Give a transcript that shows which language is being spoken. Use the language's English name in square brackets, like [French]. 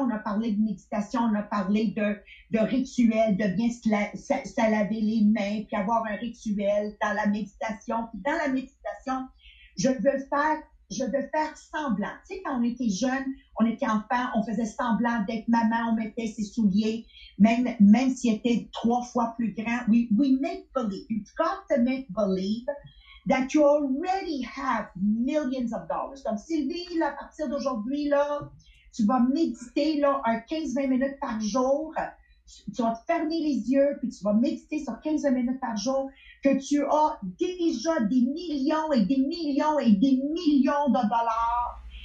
[French] On a parlé de méditation, on a parlé de rituel, de bien se laver les mains, puis avoir un rituel dans la méditation. Puis dans la méditation, je veux faire semblant. Tu sais, quand on était jeune, on était enfant, on faisait semblant d'être maman, on mettait ses souliers, même s'il était trois fois plus grand. [English] We make believe. You've got to make believe that you already have millions of dollars. [French] Donc, Sylvie, là, à partir d'aujourd'hui, là, tu vas méditer là, un 15-20 minutes par jour. Tu vas te fermer les yeux, puis tu vas méditer sur 15 minutes par jour que tu as déjà des millions et des millions et des millions de dollars.